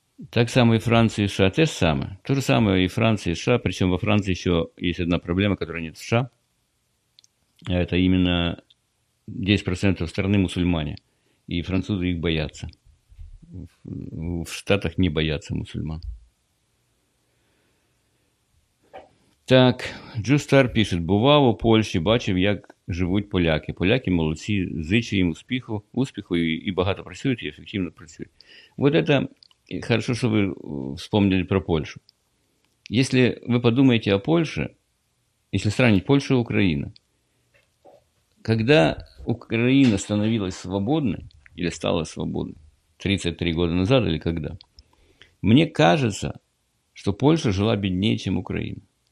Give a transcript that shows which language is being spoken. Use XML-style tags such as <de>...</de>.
<ru>Так само и Франция и США. Те же самое. То же самое и Франция и США. Причем во Франции еще есть одна проблема, которая нет в США. Это именно 10% страны мусульмане. И французы их боятся. В Штатах не боятся мусульман.</ru> <uk>Так, Джустар пише: бував у Польщі, бачив, як живуть поляки. Поляки молодці, зичу їм успіху і багато працюють, і ефективно працюють.</uk> <ru>Вот это хорошо, що ви вспомнили про Польщу. Если вы подумаете о Польше, если сравнить Польшу и Украину, когда Украина становилась свободной, или стала свободной, 33 года назад или когда, мне кажется, что Польша жила беднее, чем Украина.</ru>